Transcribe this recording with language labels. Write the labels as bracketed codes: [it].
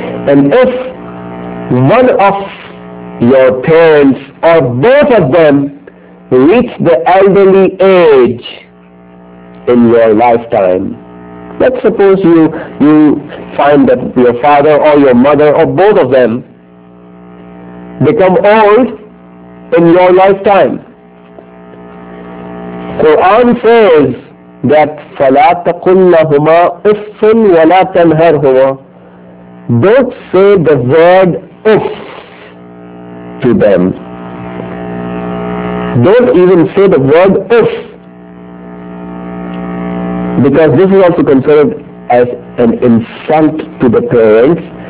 [en] And if one of your parents or both of them reach the elderly age in your lifetime, let's suppose you find that your father or your mother or both of them become old in your lifetime. Quran says that [ar] فَلَا تَقُلْ لَهُمَا أُفٍّ وَلَا تَنْهَرْهُمَا. [en] Don't say the word if to them. Don't even say the word if, because this is also considered as an insult to the parents.